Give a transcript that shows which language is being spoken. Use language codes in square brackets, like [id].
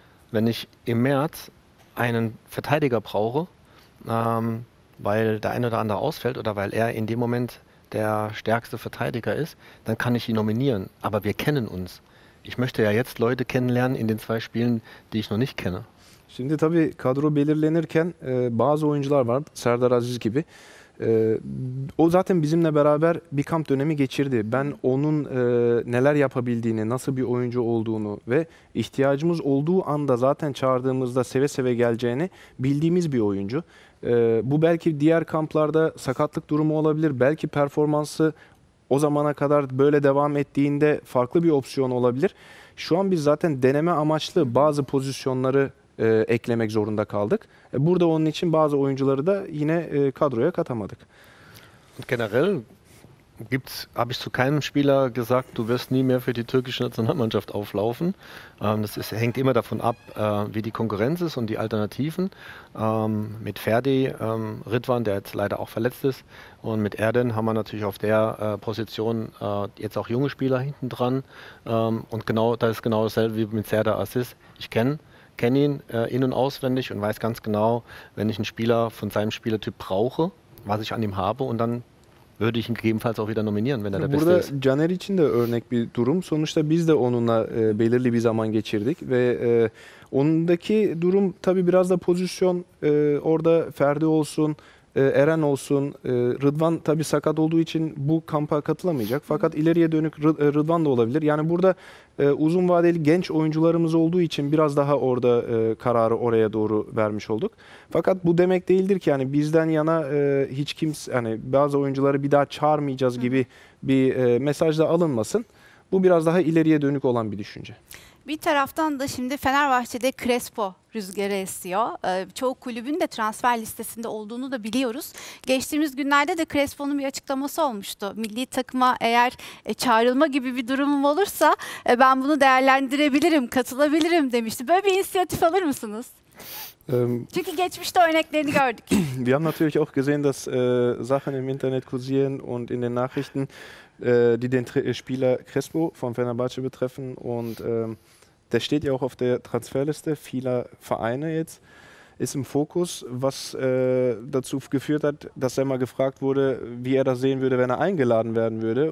[de] Wenn ich im März einen Verteidiger brauche, weil der eine oder andere ausfällt oder weil er in dem Moment der stärkste Verteidiger ist, dann kann ich ihn nominieren. Aber wir kennen uns. Ich möchte ja jetzt Leute kennenlernen in den zwei Spielen, die ich noch nicht kenne. [tr] Şimdi tabii kadro belirlenirken bazı oyuncular var, Serdar Aziz gibi. O zaten bizimle beraber bir kamp dönemi geçirdi. Ben onun neler yapabildiğini, nasıl bir oyuncu olduğunu ve ihtiyacımız olduğu anda zaten çağırdığımızda seve seve geleceğini bildiğimiz bir oyuncu. Bu belki diğer kamplarda sakatlık durumu olabilir. Belki performansı o zamana kadar böyle devam ettiğinde farklı bir opsiyon olabilir. Şu an biz zaten deneme amaçlı bazı pozisyonları eklemek zorunda kaldık. Burada onun için bazı oyuncuları da yine kadroya katamadık. [de] Generell habe ich zu keinem Spieler gesagt, du wirst nie mehr für die türkische Nationalmannschaft auflaufen. Das ist, hängt immer davon ab, wie die Konkurrenz ist und die Alternativen. Mit Ferdi, Ridwan, der jetzt leider auch verletzt ist, und mit Erden haben wir natürlich auf der Position jetzt auch junge Spieler hinten dran. Und genau, das ist genau dasselbe wie mit Serdar Aziz. Ich kenne ihn in- und auswendig und weiß ganz genau, wenn ich einen Spieler von seinem Spielertyp brauche, was ich an ihm habe und dann würde ich ihn gegebenenfalls auch wieder nominieren, wenn er der [tr] Burada [de] Beste ist. [tr] Burada Caner için de örnek bir durum. Sonuçta biz de onunla belirli bir zaman geçirdik ve onundaki durum tabii biraz da pozisyon orada Ferdi olsun, Eren olsun, Rıdvan tabii sakat olduğu için bu kampa katılamayacak. Fakat ileriye dönük Rıdvan da olabilir. Yani burada uzun vadeli genç oyuncularımız olduğu için biraz daha orada kararı oraya doğru vermiş olduk. Fakat bu demek değildir ki yani bizden yana hiç kimse hani bazı oyuncuları bir daha çağırmayacağız gibi bir mesaj da alınmasın. Bu biraz daha ileriye dönük olan bir düşünce. Bir taraftan da şimdi Fenerbahçe'de Crespo rüzgarı esiyor. Çoğu kulübün de transfer listesinde olduğunu da biliyoruz. Geçtiğimiz günlerde de Crespo'nun bir açıklaması olmuştu. Milli takıma eğer çağrılma gibi bir durumum olursa ben bunu değerlendirebilirim, katılabilirim demişti. Böyle bir inisiyatif alır mısınız? Çünkü geçmişte örneklerini gördük. [de] Wir haben natürlich auch gesehen, dass Sachen im Internet kursieren und in den Nachrichten die den Spieler Crespo von Fenerbahce betreffen. Und der steht ja auch auf der Transferliste vieler Vereine jetzt, ist im Fokus, was dazu geführt hat, dass er mal gefragt wurde, wie er das sehen würde, wenn er eingeladen werden würde.